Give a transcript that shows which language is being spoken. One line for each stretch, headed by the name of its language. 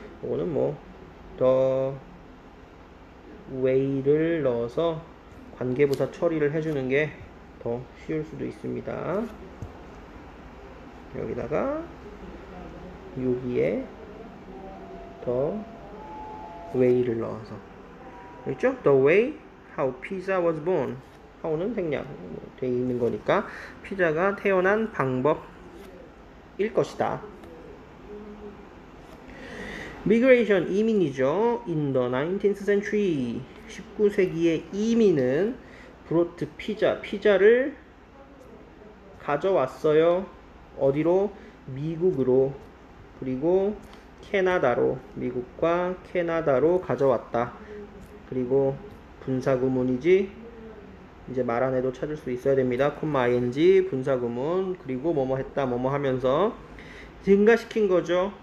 Korean: 이거는 뭐,
English: the way
Korean: 를 넣어서 관계부사 처리를 해주는 게더 쉬울 수도 있습니다. 여기다가 여기에 더 way를 넣어서 그렇죠?
English: The way how pizza was born.
Korean: how는 생략 돼 있는 거니까 피자가 태어난 방법일 것이다. Migration 이민이죠.
English: In the 19th century,
Korean: 19세기에 이민은
English: brought pizza,
Korean: 피자를 가져왔어요. 어디로? 미국으로. 그리고 캐나다로, 미국과 캐나다로 가져왔다. 그리고 분사구문이지. 이제 말안 해도 찾을 수 있어야 됩니다. 콤마 ing 분사구문. 그리고 뭐뭐 했다, 뭐뭐 하면서 증가시킨 거죠.